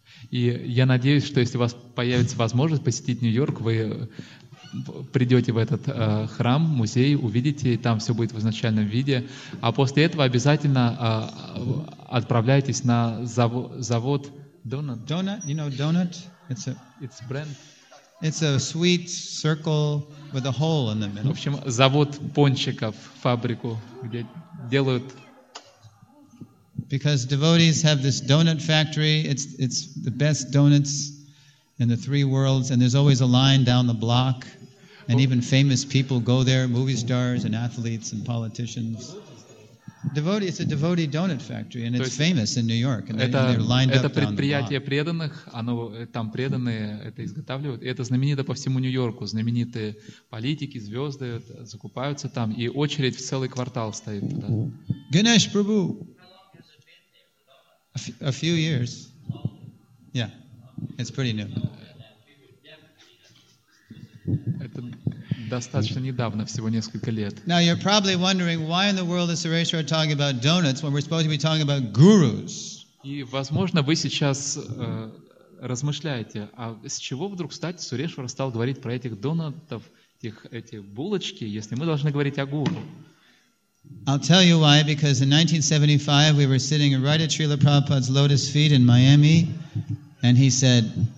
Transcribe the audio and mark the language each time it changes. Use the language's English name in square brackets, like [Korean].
[Russian] И я надеюсь, что если у вас появится возможность посетить Нью-Йорк, вы придете в этот храм, музей, увидите, и там все будет в изначальном виде. А после этого обязательно отправляйтесь на завод Donut. [English] Donut, you know Donut? It's a brand. It's a sweet circle with a hole in the middle. [Russian] В общем, завод пончиков, фабрику, где делают... [English] Because devotees have this donut factory, it's the best donuts in the three worlds, and there's always a line down the block, and even famous people go there, movie stars and athletes and politicians. Devotee, it's a devotee donut factory, and it's famous in New York, and they're lined up down the block. [Russian] Это предприятие преданных, оно там преданные это изготавливают, и это знаменито по всему Нью-Йорку, знаменитые политики, звезды закупаются там, и очередь в целый квартал стоит туда. [English] Ganesh Prabhu! A few years. Yeah. It's pretty new. [Russian] Это достаточно недавно, всего несколько лет. [English] Now you're probably wondering why in the world is Sureshwar talking about donuts when we're supposed to be talking about gurus. [Russian] И возможно, вы сейчас размышляете, а с чего вдруг стать Сурешвар стал говорить про этих донатов, эти булочки, если мы должны говорить о гуру? [English] I'll tell you why, because in 1975 we were sitting right at Srila Prabhupada's lotus feet in Miami, and he said,